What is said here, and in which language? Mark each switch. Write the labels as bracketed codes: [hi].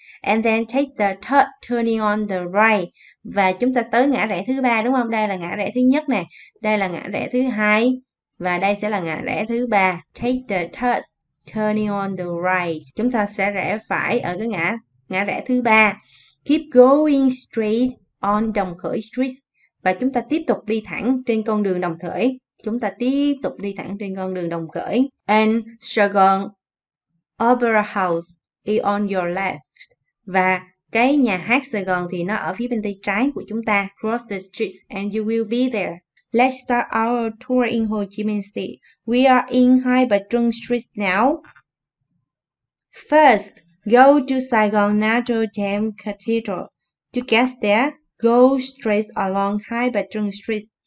[en] And then take the third turning on the right. [vi] Và chúng ta tới ngã rẽ thứ ba đúng không? Đây là ngã rẽ thứ nhất nè. Đây là ngã rẽ thứ hai. Và đây sẽ là ngã rẽ thứ ba. [en] Take the third turning on the right. [vi] Chúng ta sẽ rẽ phải ở cái ngã rẽ thứ ba. [en] Keep going straight on Đồng Khởi Street. [vi] Và chúng ta tiếp tục đi thẳng trên con đường Đồng Khởi. Chúng ta tiếp tục đi thẳng trên con đường Đồng Khởi. [en] And Saigon Opera House is on your left. [vi] Và cái nhà hát Sài Gòn thì nó ở phía bên tay trái của chúng ta. [en] Cross the street and you will be there. Let's start our tour in Ho Chi Minh City. We are in Hai Bà Trưng Street now. First, go to Saigon Natural Dam Cathedral. To get there, go straight along Hai Bà Trưng Street.